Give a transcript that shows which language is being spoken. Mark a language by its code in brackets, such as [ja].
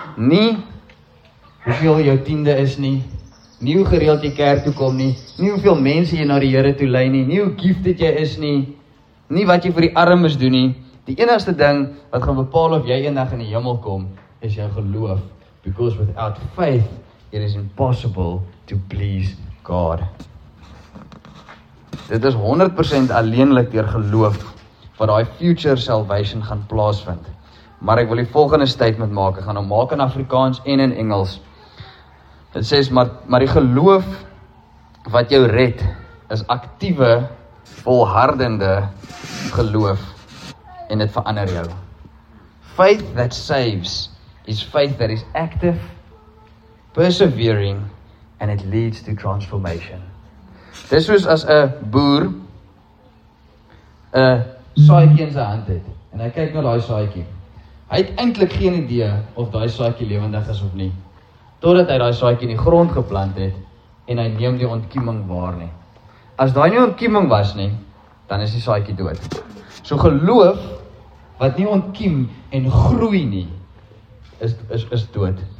[af] Nie hoeveel jou tiende is nie, nie hoe gereeld jy kerk toe kom nie, nie hoeveel mense jy na die Here toe lei nie, nie hoe gifted dit jy is nie, nie wat jy vir die armes doen nie. Die enigste ding wat gaan bepaal of jy eendag in die hemel kom, is jou geloof. [en] Because without faith, it is impossible to please God. [af] Dit is 100% alleenlik deur geloof wat daai future salvation gaan plaasvind. Maar ek wil die volgende statement maak. Ek gaan nou maak in Afrikaans en in Engels. Dit sê, maar die geloof wat jou red, is aktiewe, volhardende geloof. En dit verander jou. [en] Faith that saves is faith that is active, persevering, and it leads to transformation. [af] Dis soos as 'n boer 'n saaitjie in sy hand het en hy kyk na daai saaitjie. Hy het eintlik geen idee of daai saaitjie lewendig is of nie totdat hy daai saaitjie in die grond geplant het en hy neem die ontkieming waar nie. As daai nie ontkieming was nie, dan is die saaitjie dood. So geloof wat nie ontkiem en groei nie is dood.